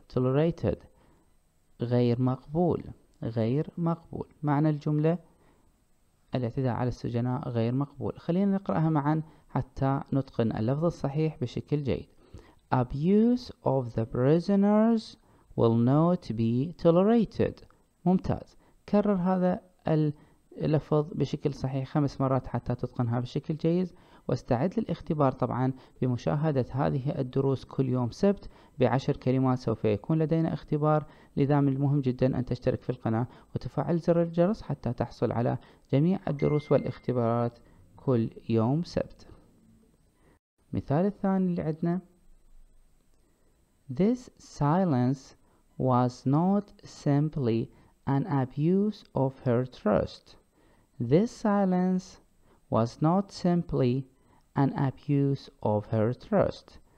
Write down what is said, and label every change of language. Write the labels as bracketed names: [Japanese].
[Arabic] Tolerated غير مقبول. غير مقبول. معنى الجملة: الاعتداء على السجناء غير مقبول. خلينا نقرأها معا حتى نتقن اللفظ الصحيح بشكل جيد. [English] Abuse of the prisoners will not be tolerated. [Arabic] ممتاز. كرر هذا اللفظ بشكل صحيح 5 مرات حتى تتقنها بشكل جيد. واستعد للاختبار طبعا بمشاهدة هذه الدروس كل يوم سبت ب10 كلمات. سوف يكون لدينا اختبار، لذا من المهم جدا أن تشترك في القناة وتفعل زر الجرس حتى تحصل على جميع الدروس والاختبارات كل يوم سبت. المثال الثاني اللي عندنا: [English] This silence was not simply an abuse of her trust. This silence was not simply an abuse of her trust.